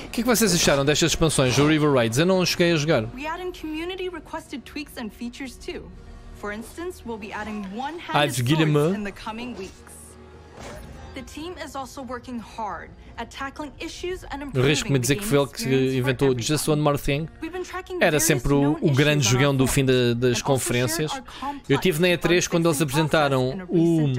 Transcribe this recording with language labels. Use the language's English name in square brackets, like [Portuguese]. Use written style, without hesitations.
[Portuguese] O que é que vocês acharam destas expansões, o River Raids? Eu não cheguei a jogar. [English] We add in community requested tweaks and features too. For instance, we'll be adding one-handed swords in the coming weeks. The team is also working hard at tackling issues and improving. [Portuguese] Risco-me dizer que foi ele que inventou [English] Just One More Thing. [Portuguese] Era sempre o grande jogão do fim das conferências. Eu tive na E3 quando eles apresentaram o.